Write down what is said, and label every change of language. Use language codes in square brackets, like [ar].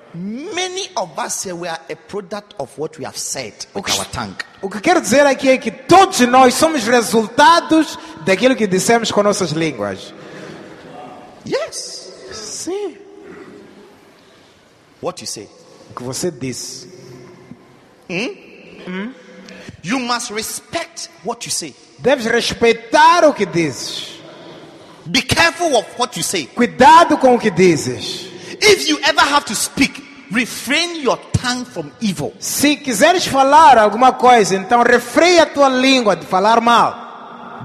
[en] many of us here we are a product of what we have said with our tongue. [pt] O que quero dizer aqui é que todos nós somos resultados daquilo que dissemos com nossas línguas. [en] Yes. [pt] Sim. [en] What you say? [pt] O que você diz? [en] You must respect what you say. [pt] Deves respeitar o que dizes. [en] Be careful of what you say. [pt] Cuidado com o que dizes. [en] If you ever have to speak, refrain your tongue from evil. [pt] Se quiseres falar alguma coisa, então refreia a tua língua de falar mal.